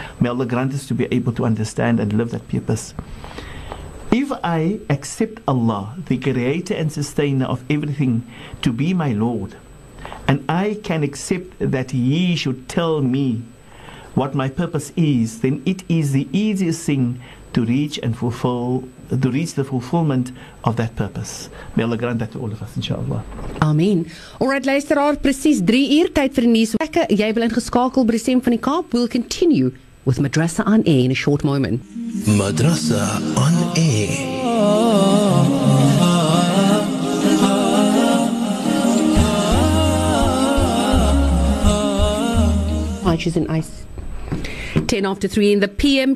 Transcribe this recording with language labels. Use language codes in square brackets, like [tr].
[en] May Allah grant us to be able to understand and love that purpose. If I accept Allah, the Creator and Sustainer of everything, to be my Lord, and I can accept that He should tell me what my purpose is, then it is the easiest thing to reach and fulfill, to reach the fulfillment of that purpose. May Allah grant that to all of us, inshallah. Amen. [af] Alright, luisteraar, precies 3 uur, tijd voor de nieuws. Jij bent ingeschakeld bij Stem van die Kaap. [en] We'll continue with Madrasa on Air in a short moment. Madrasa on Air. Watches and ice. 10 after 3 in the PM.